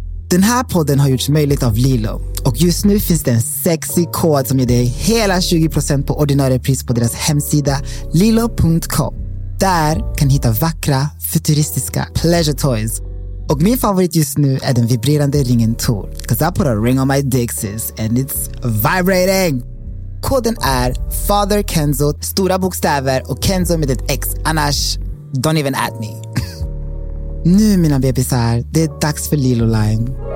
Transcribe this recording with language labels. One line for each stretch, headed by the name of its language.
Swedish: Den här podden har gjorts möjligt av Lilo. Och just nu finns det en sexy kod som ger dig hela 20% på ordinarie pris på deras hemsida lilo.com. Där kan du hitta vackra, futuristiska pleasure toys. Och min favorit just nu är den vibrerande ringen Tor.
English: Because I put a ring on my dixies and it's vibrating.
Swedish: Koden är Father Kenzo, stora bokstäver, och Kenzo med ett X. Annars,
English: don't even add me.
Swedish: Nu mina bebisar, det är dags för Lilo Line.